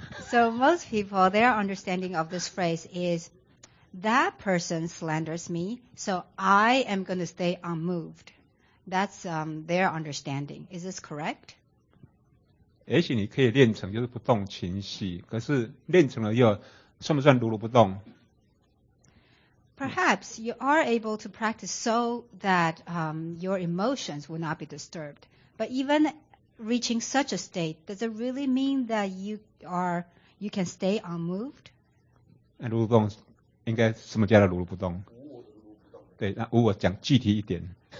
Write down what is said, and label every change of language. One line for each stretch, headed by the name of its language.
English: So most people, their understanding of this phrase is, that person slanders me, so I am going to stay unmoved. That's their understanding. Is this correct?
Chinese: 也许你可以练成就是不动情绪，可是练成了又算不算如如不动？
English: Perhaps you are able to practice so that your emotions will not be disturbed. But even reaching such a state, does it really mean that you can stay unmoved?
Chinese: 如如不动应该什么叫做如如不动？对，那无我讲具体一点。